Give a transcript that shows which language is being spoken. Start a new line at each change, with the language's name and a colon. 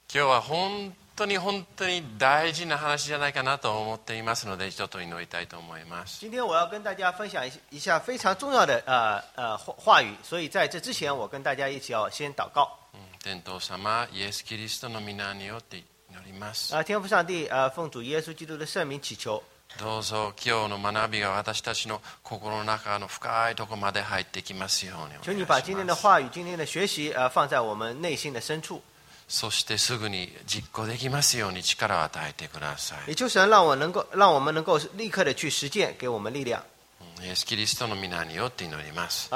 Japanese: 今日は本当に本当に大事な話じゃないかなと思っていますので、ちょっと祈りたいと思います。
Chinese: 今天我要跟大家分享一下非常重要的话语，所以在这之前，我跟大家一起要先祷告。
Japanese: 天父様、イエスキリストの皆によって祈ります。
Chinese: 天父上帝、奉主耶稣基督的圣名祈求。
Japanese: どうぞ今日の学びが私たちの心の中の深いところまで入ってきますようにお願いします。
Chinese: 求你把今天的话语、今天的学习、放在我们内心的深处。
Japanese: そしてすぐに実行できますように力を与えてください。
Chinese: 也求神让我能够让我们能够立刻的去实践，给我们力量。
Japanese: イエスキリストの皆によって祈ります。